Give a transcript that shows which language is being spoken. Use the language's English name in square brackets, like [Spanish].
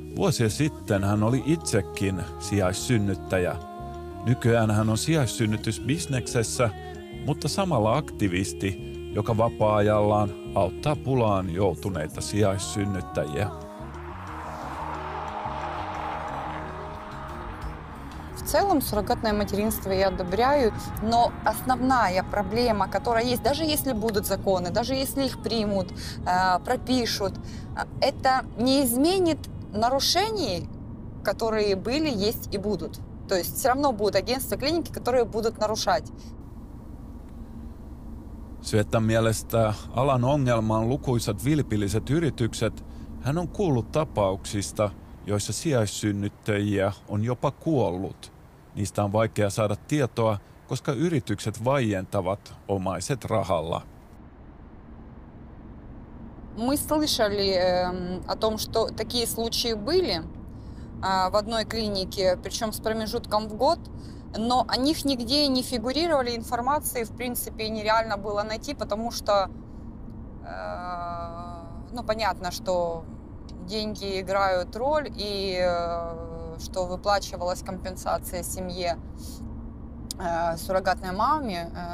[Finnish] Vuosia sitten hän oli itsekin sijaissynnyttäjä. Nykyään hän on sijaissynnytysbisneksessä, mutta samalla aktivisti, joka vapaa-ajallaan auttaa pulaan joutuneita sijaissynnyttäjiä. [Russian] В целом суррогатное материнство я одобряю, но основная проблема, которая есть, даже если будут законы, даже если их примут, пропишут, это не изменит нарушений, которые были, есть и будут. То есть все равно будут агентства, клиники, которые будут нарушать. [Finnish] Светан mielestä alan ongelma on lukuisat vilpilliset yritykset. Hän on kuullut tapauksista, joissa sijaissynnyttäjiä on jopa kuollut. Niistä on vaikea saada tietoa, koska yritykset vaientavat omaiset rahalla. [Russian] Мы слышали о том, что такие случаи были в одной клинике, причем с промежутком в год, но о них нигде не фигурировали информации, в принципе, нереально было найти, потому что ну понятно, что деньги играют роль и что выплачивалась компенсация семье суррогатной маме.